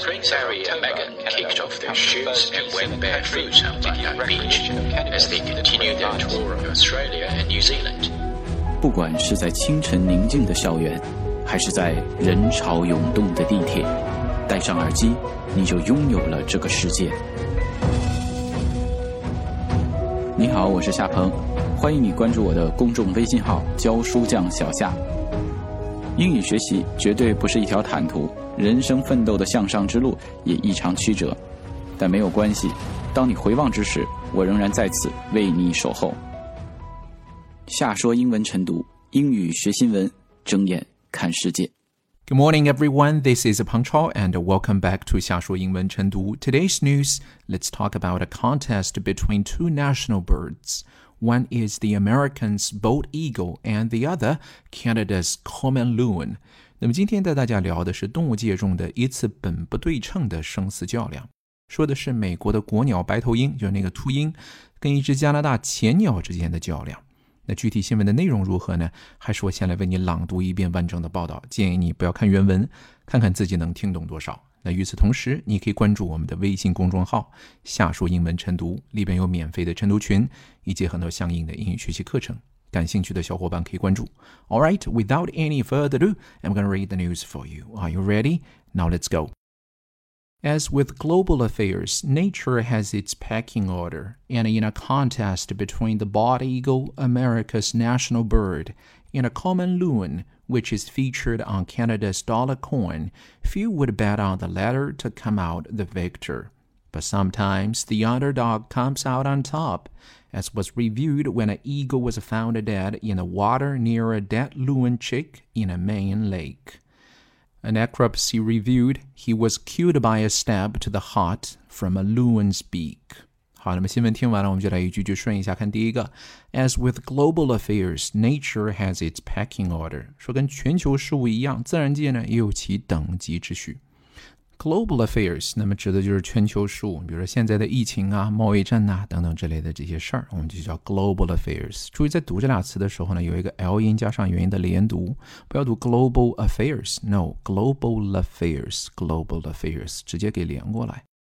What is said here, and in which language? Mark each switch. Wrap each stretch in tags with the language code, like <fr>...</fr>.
<en>of October, Megan kicked off their shoes and went barefoot on the beach as they continued their tour of Australia and New Zealand.</en> <zh>不管是在清晨宁静的校园，还是在人潮涌动的地铁，戴上耳机，你就拥有了这个世界。你好，我是夏鹏，欢迎你关注我的公众微信号“教书匠小夏”。英语学习绝对不是一条坦途，人生奋斗的向上之路也异常曲折，但没有关系，当你回望之时，我仍然在此为你守候。夏说英文晨读，英语学新闻，睁眼看世界。</zh> <en>Good morning, everyone. This is Peng Chao, and welcome back to 夏说英文晨读。 Today's news, let's talk about a contest between two national birds. One is the American's bald eagle, and the other, Canada's common loon.</en> <zh>那么今天带大家聊的是动物界中的一次本不对称的生死较量，说的是美国的国鸟白头鹰，就是那个秃鹰，跟一只加拿大前鸟之间的较量。那具体新闻的内容如何呢？还是我先来为你朗读一遍完整的报道，建议你不要看原文，看看自己能听懂多少。那与此同时，你可以关注我们的微信公众号“夏说英文晨读”，里边有免费的晨读群，以及很多相应的英语学习课程，感兴趣的小伙伴可以关注。</zh> <en>All right, without any further ado, I'm going to read the news for you. Are you ready? Now let's go. As with global affairs, nature has its pecking order, and in a contest between the bald eagle, America's national bird, and a common loon, which is featured on Canada's dollar coin, few would bet on the latter to come out the victor. But sometimes the underdog comes out on top, as was revealed when an eagle was found dead in the water near a dead loon chick in a Maine lake. A necropsy revealed he was killed by a stab to the heart from a loon's beak.</en> <zh>好，那么新闻听完了，我们就来一句句顺一下看第一个。</zh> <en>As with global affairs, nature has its pecking order.</en> <zh>说跟全球事务一样，自然界呢也有其等级秩序。 Global affairs, 那么指的就是全球事务，比如说现在的疫情啊、贸易战啊等等之类的这些事儿，我们就叫 global affairs。注意在读这俩词的时候呢，有一个 L 音加上元音的连读，不要读 global affairs, no, global affairs, global affairs, 直接给连过来。</zh>